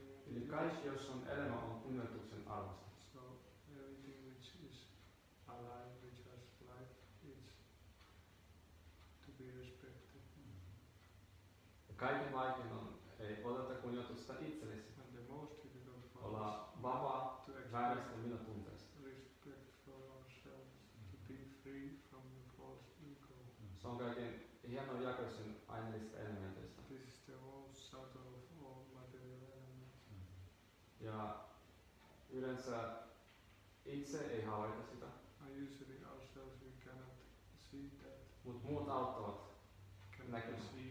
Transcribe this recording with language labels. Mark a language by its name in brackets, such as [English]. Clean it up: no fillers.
[Finnish] Eli kaikki, jos on elämä, on kunnioituksen arvosta. [English] So everything which is alive, which has life, is to be respected. [Finnish] Ja kaiken vaikein on, ei oteta kunnioitusta itsellesi. [English] And the most difficult part [Finnish] olla vapaa vääristä minä tunteesta. [English] Respect for ourselves, to be free from the false ego. [Finnish] Se on kaiken hieno jakoisin aineellisista elementeistä. [English] This is the most subtle of all material elements. [Finnish] Ja yleensä itse ei havaita sitä. [English] And usually ourselves we cannot see that. [Finnish] Mut muut auttavat näkemään.